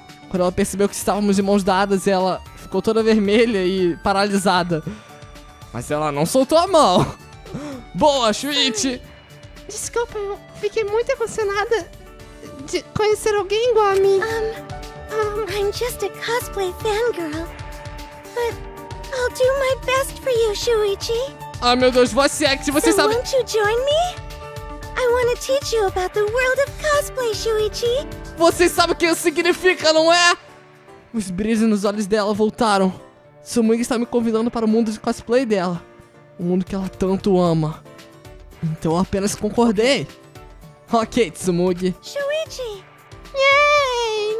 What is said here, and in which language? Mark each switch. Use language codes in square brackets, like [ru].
[pt] Quando ela percebeu que estávamos de mãos dadas, ela ficou toda vermelha e paralisada. Mas ela não soltou a mão. Boa, Shuichi. Desculpa, eu fiquei muito emocionada de conhecer alguém igual a mim. [en] I'm just a cosplay fangirl. But I'll do my best for you, Shuichi. [pt] Ai, meu Deus, você é que você [en] so [pt] sabe... [en] So won't you join me? I want to teach you about the world of cosplay, Shuichi. [pt] Você sabe o que isso significa, não é? Os brilhos nos olhos dela voltaram. Tsumugi está me convidando para o mundo de cosplay dela. O mundo que ela tanto ama. Então eu apenas concordei. [en] Ok, Tsumugi. Shuichi! Yay!